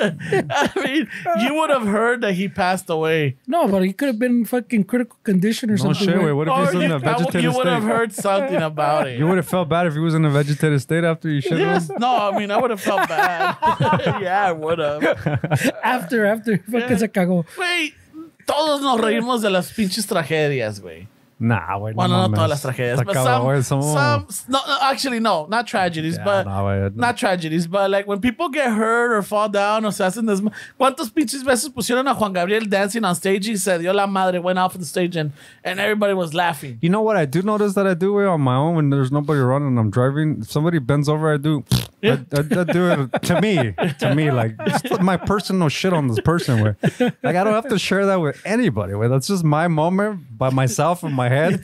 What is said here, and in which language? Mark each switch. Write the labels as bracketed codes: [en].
[en] I mean, you would have heard that he passed away. No, but he could have been in fucking critical condition or no something. No shit, wait. What if he's in a vegetative state? You would have heard something about it. You would have felt bad if he was in a vegetative state after you shit. Yes. No, I mean, I would have felt bad. Yeah, I would have. After fucking [es] se cagó. Wait, todos nos reímos de las pinches tragedias, güey. Nah, güey. Bueno, no todas las tragedias, [en] but like when people get hurt or fall down or [es] se hacen desma. ¿Cuántos pinches veces pusieron a Juan Gabriel [en] dancing on stage? He said, [es] yo la madre, [en] went off the stage and everybody was laughing. You know what I do notice that I do, on my own when there's nobody around and I'm driving? If somebody bends over, I do. Yeah. I do it to me, like, just my personal shit on this person, where, like, I don't have to share that with anybody, where that's just my moment by myself in my head.